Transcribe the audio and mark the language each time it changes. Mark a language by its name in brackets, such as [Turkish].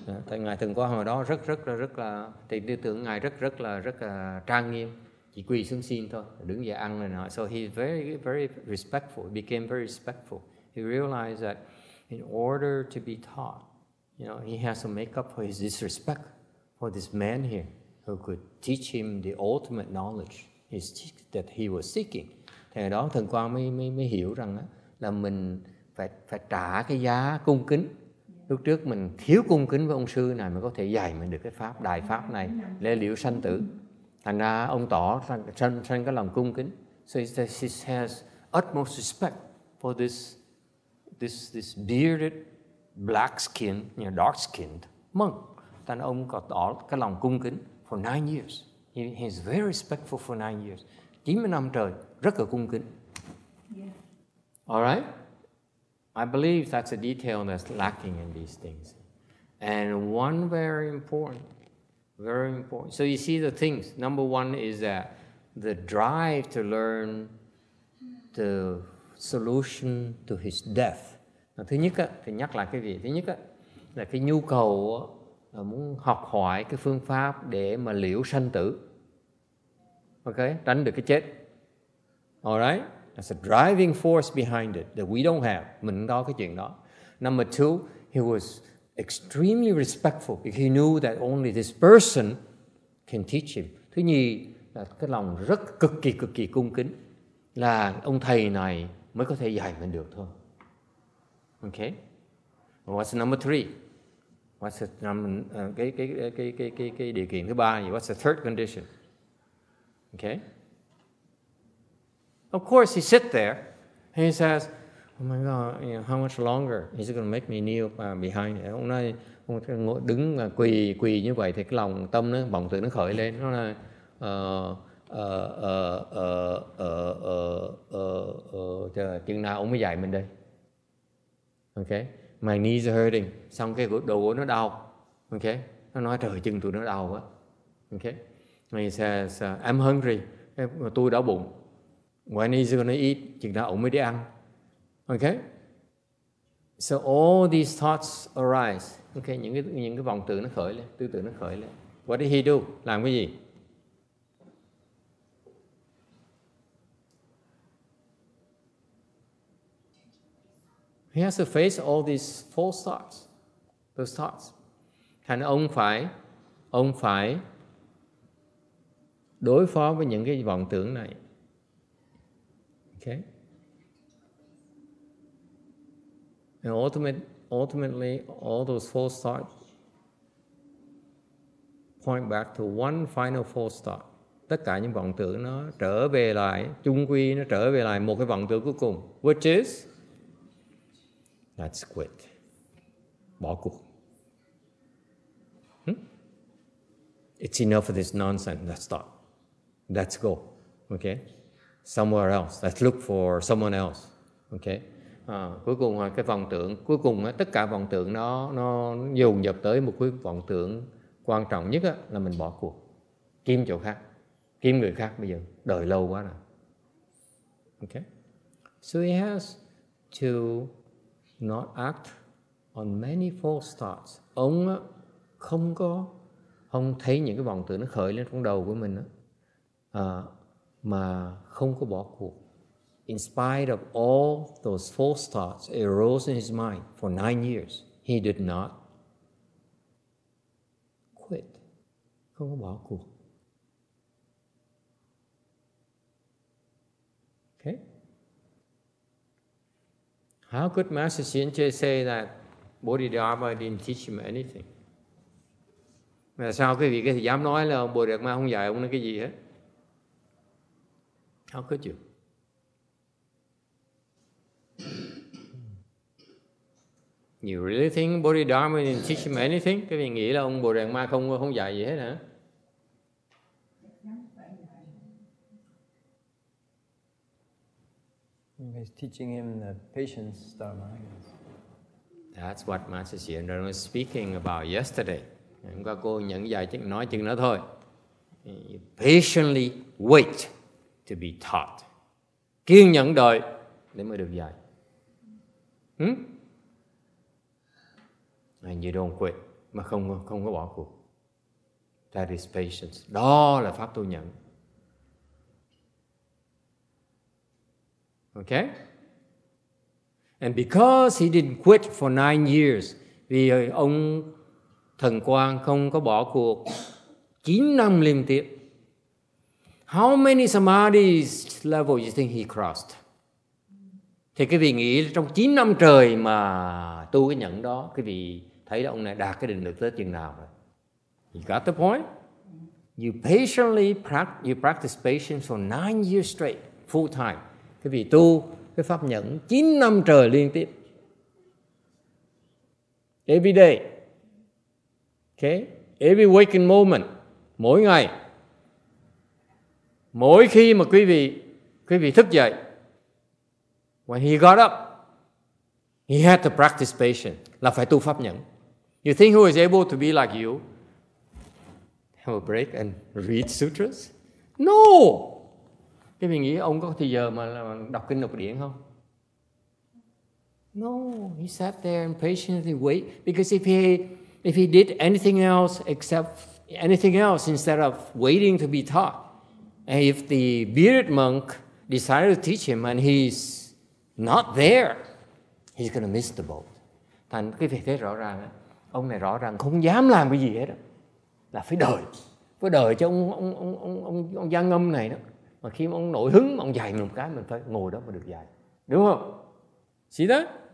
[Vietnamese] Tại ngài Thần Quang hồi đó rất là, thì tư tưởng ngài rất là trang nghiêm, chỉ quỳ xuống xin thôi, đứng dậy ăn rồi nói. [English] So he's very very respectful. He became very respectful. He realized that in order to be taught, he has to make up for his disrespect for this man here who could teach him the ultimate knowledge that he was seeking. [Vietnamese] Thì đó Thần Quang mới hiểu rằng á, là mình phải trả cái giá cung kính. Lúc trước mình thiếu cung kính với ông sư này mới có thể dạy mình được cái pháp đại pháp này lê liễu sanh tử. Thành ra ông tỏ sanh cái lòng cung kính. [English] So he has utmost respect for this bearded black skin, dark skinned monk. [Vietnamese] Thành ra ông có tỏ cái lòng cung kính [English] for 9 years. He is very respectful for 9 years. [Vietnamese] 90 năm trời rất là cung kính. [English] Yeah. All right? I believe that's a detail that's lacking in these things. And one very important. So you see the things. Number one is that the drive to learn the solution to his death. [Vietnamese] Thứ nhất á, thì nhắc lại cái gì? Thứ nhất á, là cái nhu cầu muốn học hỏi cái phương pháp để mà liễu sanh tử. Ok, tránh được cái chết. [English] All right? That's a driving force behind it that we don't have. [Vietnamese] Mình không có cái chuyện đó. [English] Number two, he was extremely respectful because he knew that only this person can teach him. [Vietnamese] Thứ nhì là cái lòng rất cực kỳ cung kính, là ông thầy này mới có thể dạy mình được thôi. Ok. [English] What's number three? What's the [Vietnamese] cái điều kiện thứ ba? [English] What's the third condition? Okay. Of course, he sits there. And he says, "Oh my God, you know, how much longer is he going to make me kneel behind?" [Vietnamese] Ông nói, ông ngồi đứng quỳ như vậy thì cái lòng tâm nó vọng tưởng nó khởi lên. Nó là chừng nào ông mới dạy mình đây? [English] Okay. My knees are hurting. [Vietnamese] Xong cái đầu gối nó đau. [English] Okay. [Vietnamese] Nó nói trời chân tụi nó đau quá. [English] Okay. He says, I'm hungry. [Vietnamese] Tôi đói bụng. [English] When is he going to eat? [Vietnamese] Chừng nào ông mới đi ăn. [English] Okay. So all these thoughts arise. Okay. [Vietnamese] Những cái vọng tưởng nó khởi lên. Tư tưởng nó khởi lên. [English] What did he do? [Vietnamese] Làm cái gì? [English] He has to face all these false thoughts, those thoughts. [Vietnamese] Thành ông phải đối phó với những cái vọng tưởng này. [English] Okay. And ultimately, all those false thoughts point back to one final false thought. [Vietnamese] Tất cả những vọng tưởng nó trở về lại, chung quy nó trở về lại một cái vọng tưởng cuối cùng, [English] which is that's quit. [Vietnamese] Bỏ cuộc. [English] It's enough of this nonsense. Let's stop. Let's go. Okay? Somewhere else. Let's look for someone else. Okay? [Vietnamese] Cuối cùng là cái vọng tưởng. Cuối cùng tất cả vọng tưởng nó dồn dập tới một cái vọng tưởng quan trọng nhất đó, là mình bỏ cuộc. Kiếm chỗ khác. Kiếm người khác bây giờ. Đợi lâu quá rồi. Okay? [English] So he has to not act on many false thoughts. [Vietnamese] Ông không thấy những cái vọng tưởng nó khởi lên trong đầu của mình á, mà không có bỏ cuộc. [English] In spite of all those false thoughts it arose in his mind for 9 years, he did not quit. [Vietnamese] Không có bỏ cuộc. [English] Okay. How could Master Xin Che say that Bodhidharma didn't teach him anything? [Vietnamese] Mà sao quý vị có thể dám nói là Bodhidharma không dạy ông nó cái gì hết? [English] How could you? You really think Bodhidharma didn't teach him anything? [Vietnamese] Quý vị nghĩ là ông Bodhidharma không dạy gì hết hả? [English] He's teaching him the patience dharma, I guess. That's what Master Xuyên Rang was speaking about yesterday. [Vietnamese] Hôm qua cô nhận dạy chứ nói chừng đó thôi. [English] You patiently wait to be taught. [Vietnamese] Kiên nhẫn đợi để mới được dạy. [English] And you don't quit. [Vietnamese] Mà không có bỏ cuộc. [English] That is patience. [Vietnamese] Đó là pháp tu nhẫn. [English] Okay? And because he didn't quit for 9 years, [Vietnamese] vì ông thần quang không có bỏ cuộc 9 năm liên tiếp, [English] how many samadhi level you think he crossed? [Vietnamese] Thì quý vị nghĩ trong 9 năm trời mà tu cái nhẫn đó, quý vị thấy là ông này đạt cái định lực tới chừng nào rồi? [English] You got the point? You practice patience for 9 years straight, full time. [Vietnamese] Cái vị tu cái pháp nhẫn 9 năm trời liên tiếp. [English] Every day. Okay? Every waking moment. [Vietnamese] Mỗi ngày. Mỗi khi mà quý vị thức dậy. [English] When he got up, he had to practice patience. [Vietnamese] Là phải tu pháp nhẫn. [English] You think who is able to be like you? Have a break and read sutras? No! [Vietnamese] Cái mình nghĩ ông có thời giờ mà đọc kinh lục điển không? [English] No, he sat there and patiently wait. Because if he if he did anything else except anything else instead of waiting to be taught, and if the bearded monk decided to teach him and he's not there, he's going to miss the boat. [Vietnamese] Thành quý vị thấy rõ ràng, ông này rõ ràng không dám làm cái gì hết, là phải đợi. Phải đợi cho ông gia ngâm này đó. Mà khi mà ông nổi hứng, ông dạy mình một cái, mình phải ngồi đó mà được dạy. Đúng không? [English] See that?